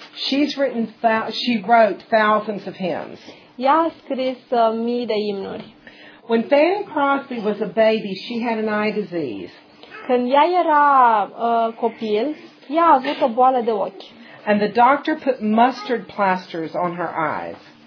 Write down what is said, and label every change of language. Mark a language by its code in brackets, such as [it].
[en] She wrote thousands of hymns. [ro] Ea a scris mii de imnuri. [en] When Fanny Crosby was a baby, she had an eye disease. [ro] Când ea era copil, ea a avut o boală de ochi. [en] And the doctor put mustard plasters on her eyes.